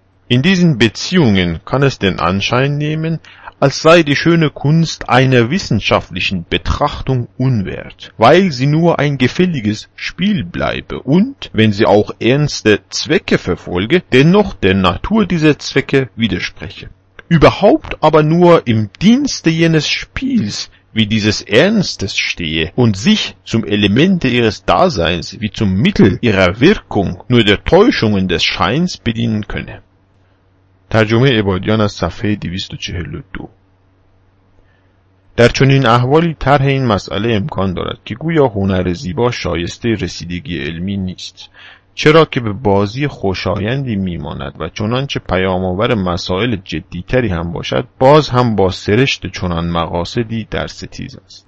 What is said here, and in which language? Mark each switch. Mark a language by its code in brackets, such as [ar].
[de] In diesen Beziehungen kann es den Anschein nehmen, als sei die schöne Kunst einer wissenschaftlichen Betrachtung unwert, weil sie nur ein gefälliges Spiel bleibe und, wenn sie auch ernste Zwecke verfolge, dennoch der Natur dieser Zwecke widerspreche. Überhaupt aber nur im Dienste jenes Spiels, wie dieses Ernstes stehe und sich zum Elemente ihres Daseins wie zum Mittel ihrer Wirkung nur der Täuschungen des Scheins bedienen könne. [fa] ترجمه عبادیان از صفحه 242. در چنین احوالی طرح این مسئله امکان دارد که گویا هنر زیبا شایسته رسیدگی علمی نیست، چرا که به بازی خوشایندی میماند و چنانچه پیام‌آور مسائل جدیتری هم باشد، باز هم با سرشت چنان مقاصدی در ستیز است.